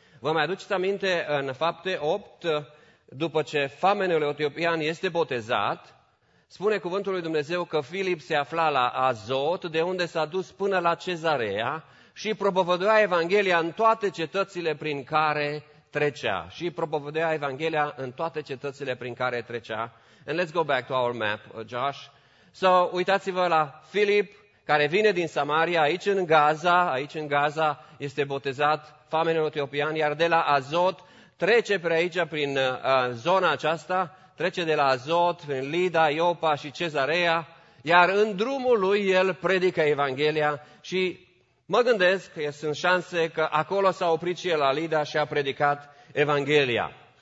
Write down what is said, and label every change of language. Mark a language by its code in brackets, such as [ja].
[ro] Vă mai aduceți aminte în Fapte 8, după ce famenul etiopian este botezat, spune cuvântul lui Dumnezeu că Filip se afla la Azot, de unde s-a dus până la Cezarea și propovăduia Evanghelia în toate cetățile prin care trecea. [en] And let's go back to our map, Josh. [ro] So, uitați-vă la Filip, care vine din Samaria, aici în Gaza, aici în Gaza este botezat famenul etiopian, iar de la Azot trece pe aici, prin zona aceasta, trece de la Azot, prin Lida, Iopa și Cezarea, iar în drumul lui el predică Evanghelia și mă gândesc că sunt șanse că acolo s-a oprit și el la Lida și a predicat Evanghelia.